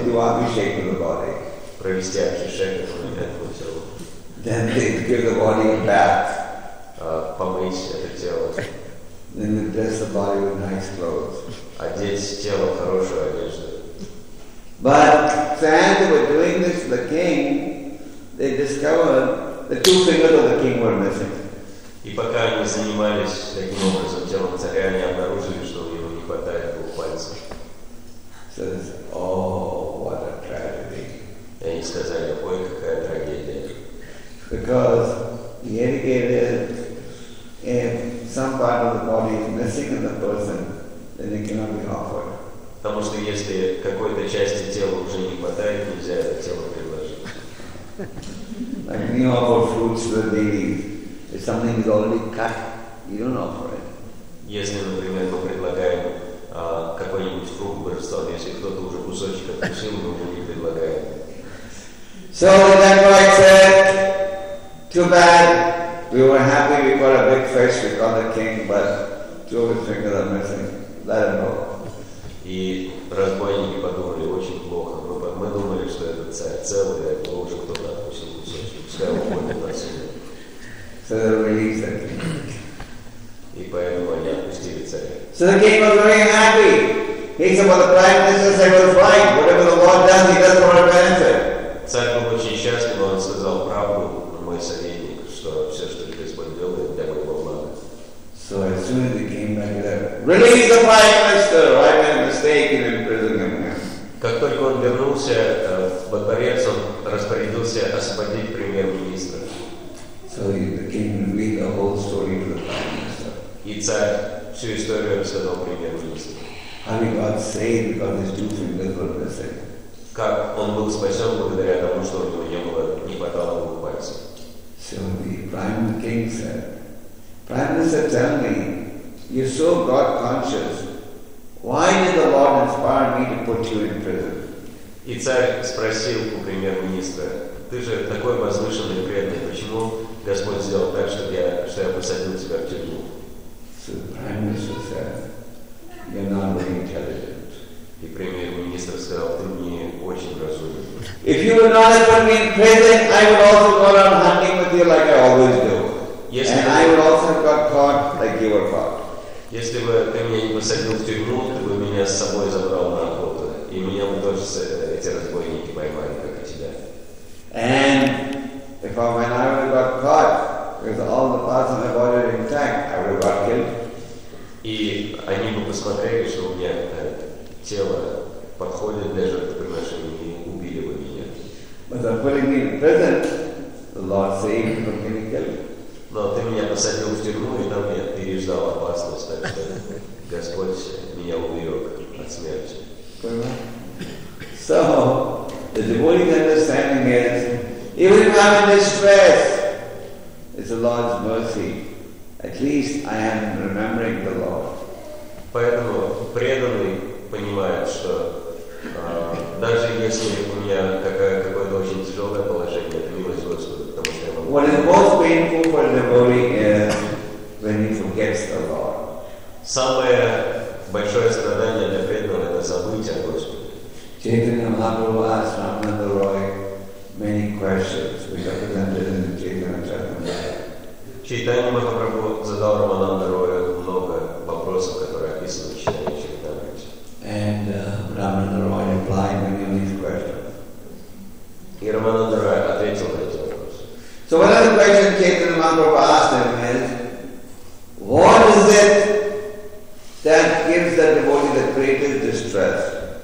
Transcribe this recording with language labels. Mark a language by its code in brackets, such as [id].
[en] Do abhishek the body. [ru] Провести абхишеку на этому телу. [en] Then they give the body a bath. [ru] Помыть это тело. [en] Then they dress the body with nice clothes. [ru] Одеть тело в хорошую одежду. [en] But when they were doing this to the king, they discovered the two fingers of the king were missing. [ru] И пока они занимались таким образом телом царя, они обнаружили, что у него не хватает двух пальцев. [en] Says, oh, what a tragedy. [ru] И они сказали, ой, какая трагедия. [en] Because the etiquette is, if some part of the body is missing in the person, then it cannot be offered. [ru] Потому что если какой-то части тела уже не хватает, нельзя это тело предложить. [en] Like when you offer fruits to the deities, if something is already cut, you don't offer it. [ru] Если, например, мы предлагаем какой-нибудь фрукт божествам, если кто-то уже кусочек откусил, мы его не предлагаем. [en] So that like said, too bad. We were happy, we got a big fish, we got the king, but two of his fingers are missing. Let him go. [ru] И разбойники подумали, очень плохо. Мы думали, что этот царь целый, а его уже кто-то отпустил кусочек. Пускай он уходит на себя. И поэтому они отпустили царя. [en] So the king was very happy. He said, well, the prime minister said, well, fine. Whatever the Lord does, he does for our benefit. [ru] Царь был очень счастлив, он сказал правду, мой советник, что все, что Господь делает, для моего блага. [en] So as soon as he came back, he said, release the prime minister, right? Mistake in imprisoning him. [ru] Как только он вернулся во дворец, он распорядился освободить премьер-министра. [en] So the king read the whole story to the prime minister. [ru] И царь всю историю рассказал премьер-министру. [en] How he got saved because his two fingers were missing. [ru] Как он был спасен благодаря тому, что у него не было, не хватало двух пальцев. [en] So the prime king said, prime minister, tell me, you're so God conscious. Why did the Lord inspire me to put you in prison? [ru] И царь спросил у премьер-министра, ты же такой возвышенный и преданный, почему Господь сделал так, чтобы я посадил тебя в тюрьму? [en] So the prime minister said, you're not very intelligent. [ru] И премьер-министр сказал, ты не очень разумен. [en] If you would not have put me in prison, I would also go on hunting with you like I always do. Yes, and I would also have got caught like you were caught. [ru] Если бы ты меня не посадил в тюрьму, ты бы меня с собой забрал на охоту. И меня бы тоже с этим все разбойники мои маленькие себя. [en] And before when I would have got caught with all the parts of my body intact, I would have got killed. [ru] И они бы посмотрели, что у меня тело подходит для жертвоприношения, и убили бы меня. [en] But they're putting me in prison. The Lord saved me from getting killed. [ru] Но ты меня посадил в тюрьму, и там я переждал опасность, так что Господь меня уберег от смерти. [en] So, the devotee's understanding is, even if I'm in distress, it's the Lord's mercy. At least I am remembering the Lord. [ru] Поэтому преданный понимает, что даже если у меня какое-то очень тяжелое положение, это милость Господа, потому что я могу... [en] What is most painful for the devotee is when he forgets the Lord. [ru] Самое большое страдание для преданного – это забыть о Господе. [en] Chaitanya Mahaprabhu asked Ramananda Roy many questions, which are presented in the Chaitanya [ru] Mahaprabhu задал Рамананда Роя много вопросов, которые описаны в Чайтанья Чайтанья. [en] And Ramananda Roy replied many of these questions. [ru] И Рамананда Роя ответил на эти вопросы. [en] So one of the questions Chaitanya Mahaprabhu asked him is, what is it that gives the devotee the greatest distress?